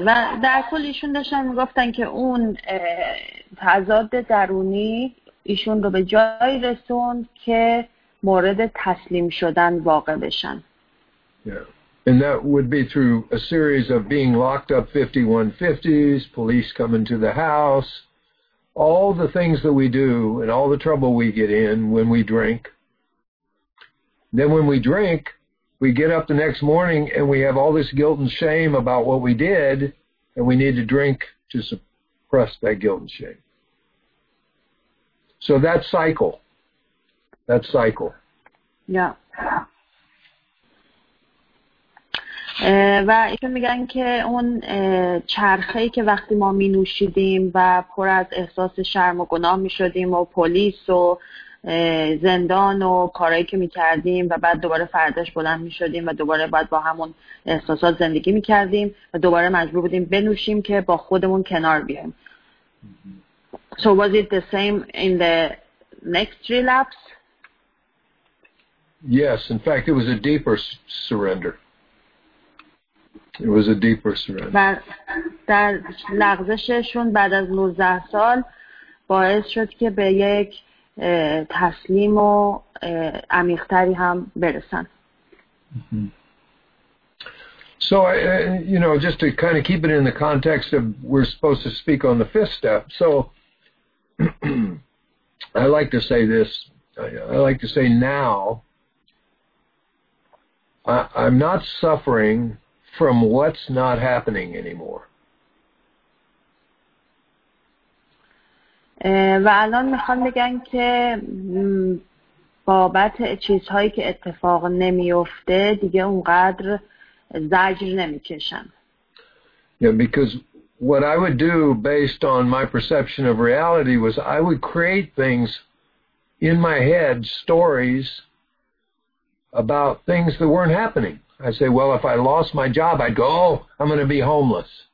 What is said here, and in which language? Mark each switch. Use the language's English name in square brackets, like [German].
[Persian] و در کل ایشون داشتن گفتن که اون تضاد درونی ایشون رو به جایی رسوند که مورد تسلیم شدن واقع بشن. [English] Yeah. And that would be through a series of being locked up 5150s, police coming to the house, all the things that we do and all the trouble we get in when we drink. Then when we drink, we get up the next morning and we have all this guilt and shame about what we did, and we need to drink to suppress that guilt and shame. So that cycle. Yeah. [Persian] و ایشون میگن که اون چرخه‌ای که وقتی ما مینوشیدیم و پر از احساس شرم و گناه میشدیم و پلیس و زندان و کارهایی که میکردیم و بعد دوباره فرداش بلند میشدیم و دوباره بعد با همون احساسات زندگی میکردیم و دوباره مجبور بودیم بنوشیم که با خودمون کنار بیایم. [English] So was it the same in the next relapse? Yes, in fact, it was a deeper surrender. It was a deeper surrender. [Persian] و در لغزششون بعد از 19 سال باعث شد که به یک تسلیم و عمیق‌تری هم برسن. [English] So, you know, just to kind of keep it in the context of we're supposed to speak on the fifth step. So, I like to say this. I like to say now, I'm not suffering from what's not happening anymore. [Persian] و الان میخوام بگم که بابت چیزهایی که اتفاق نمیفته دیگه اونقدر زجر نمیکشم. [English] Yeah, because what I would do based on my perception of reality was I would create things in my head, stories about things that weren't happening. I say, well, if I lost my job, I'd go, oh, I'm going to be homeless.